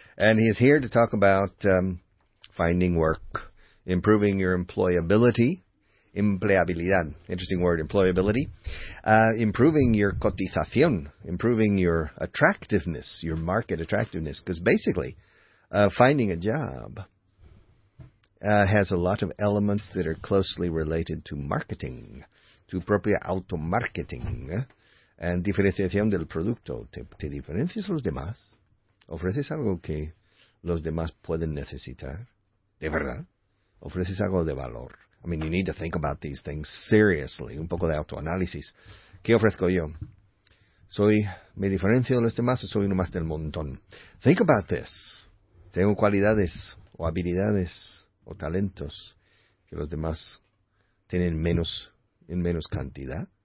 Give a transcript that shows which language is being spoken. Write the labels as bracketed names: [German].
[English] And he is here to talk about finding work, improving your employability, interesting word, employability, improving your cotización, improving your attractiveness, your market attractiveness, because basically finding a job has a lot of elements that are closely related to marketing, to [Spanish] propio automarketing, [English] and [Spanish] diferenciación del producto. Te diferencias los demás, ofreces algo que los demás pueden necesitar, de verdad, ofreces algo de valor. [English] I mean, you need to think about these things seriously. [Spanish] Un poco de autoanálisis. ¿Qué ofrezco yo? ¿Soy, me diferencio de los demás o soy uno más del montón? [English] Think about this. [Spanish] ¿Tengo cualidades o habilidades o talentos que los demás tienen menos, en menos cantidad?